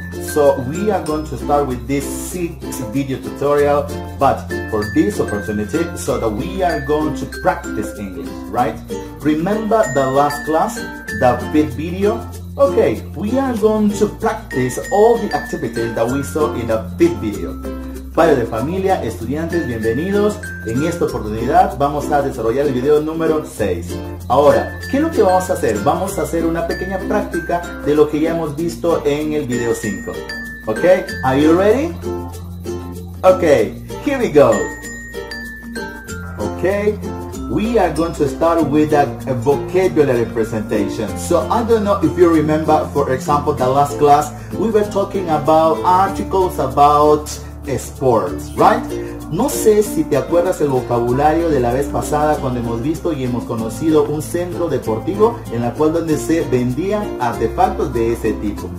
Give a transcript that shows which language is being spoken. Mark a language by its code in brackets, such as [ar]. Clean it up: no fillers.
[en] So we are going to start with this 6 video tutorial, but for this opportunity, so that we are going to practice English, right? Remember the last class, the 5th video? Okay, we are going to practice all the activities that we saw in the 5th video. [es] Padres de familia, estudiantes, bienvenidos. En esta oportunidad vamos a desarrollar el video número 6. Ahora, ¿qué es lo que vamos a hacer? Vamos a hacer una pequeña práctica de lo que ya hemos visto en el video 5. [en] ¿Ok? Are you ready? Ok, here we go. Ok, we are going to start with a vocabulary presentation. So I don't know if you remember, for example, the last class, we were talking about articles about sports, right? [es] No sé si te acuerdas el vocabulario de la vez pasada cuando hemos visto y hemos conocido un centro deportivo en la cual donde se vendían artefactos de ese tipo.